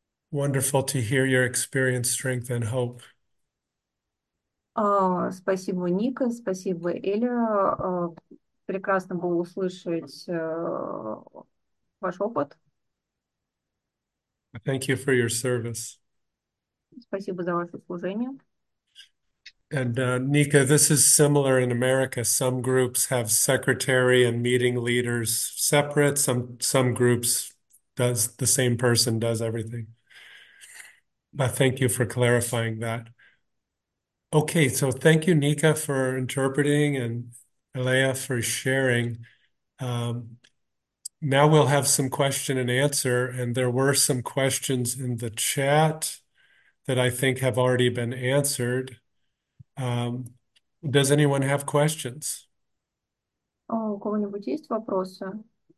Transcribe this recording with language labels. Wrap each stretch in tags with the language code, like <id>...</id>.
<en>Wonderful to hear your experience, strength, and hope.</en> <ru>О, спасибо, Ника, спасибо, Эля. Прекрасно было услышать ваш опыт.</ru> <en>Thank you for your service.</en> <ru>Спасибо за ваше служение.</ru> <en>And Nika, this is similar in America. Some groups have secretary and meeting leaders separate. Some groups does the same person does everything. But thank you for clarifying that. Okay, so thank you, Nika, for interpreting and Alea for sharing. Now we'll have some question and answer, and there were some questions in the chat that I think have already been answered. Does anyone have questions?</en> <ru>О, у кого-нибудь есть вопросы?</ru>